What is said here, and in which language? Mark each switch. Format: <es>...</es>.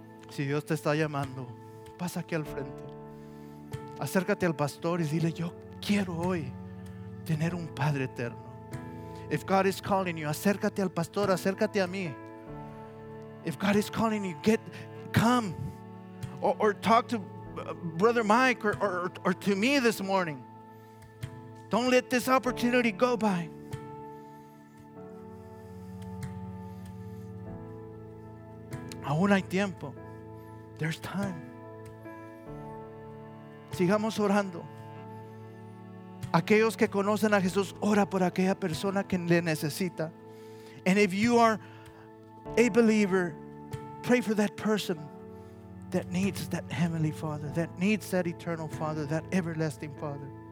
<es>Si Dios te está llamando, pasa aquí al frente. Acércate al pastor y dile, yo quiero hoy tener un Padre eterno.</es> <en>If God is calling you,</en> <es>acércate al pastor, acércate a mí.</es> <en>If God is calling you, come or talk to Brother Mike or to me this morning. Don't let this opportunity go by.</en> <es>Aún hay tiempo.</es> <en>There's time.</en> <es>Sigamos orando. Aquellos que conocen a Jesús, ora por aquella persona que le necesita.</es> <en>And if you are a believer, pray for that person that needs that heavenly Father, that needs that eternal Father, that everlasting Father.</en>